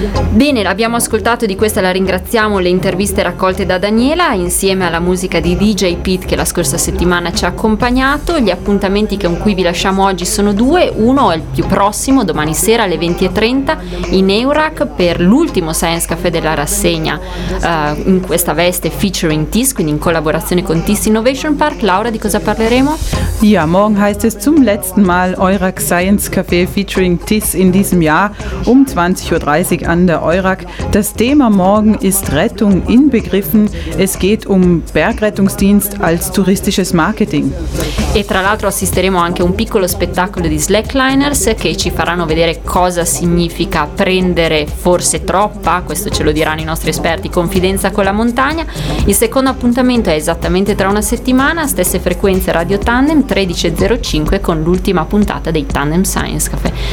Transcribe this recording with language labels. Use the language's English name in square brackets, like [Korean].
[Italian] Bene, l'abbiamo ascoltato, di questa la ringraziamo, le interviste raccolte da Daniela insieme alla musica di DJ Pete che la scorsa settimana ci ha accompagnato. Gli appuntamenti con cui vi lasciamo oggi sono 2, uno è il più prossimo, domani sera alle 20.30 in EURAC per l'ultimo Science Café della rassegna, in questa veste featuring TIS, quindi in collaborazione con TIS Innovation Park. Laura, di cosa parleremo? [German] Ja, morgen heißt es zum letzten Mal EURAC Science Café featuring TIS in diesem Jahr um 20.30 Uhr an der EURAC. Das Thema morgen ist Rettung inbegriffen. Es geht um Bergrettungsdienst als touristisches Marketing. [Italian] E tra l'altro assisteremo anche a un piccolo spettacolo di slackliners che ci faranno vedere cosa significa prendere forse troppa, questo ce lo diranno i nostri esperti, confidenza con la montagna. Il secondo appuntamento è esattamente tra una settimana, stesse frequenze Radio Tandem, 13.05 con l'ultima puntata dei Tandem Science Café.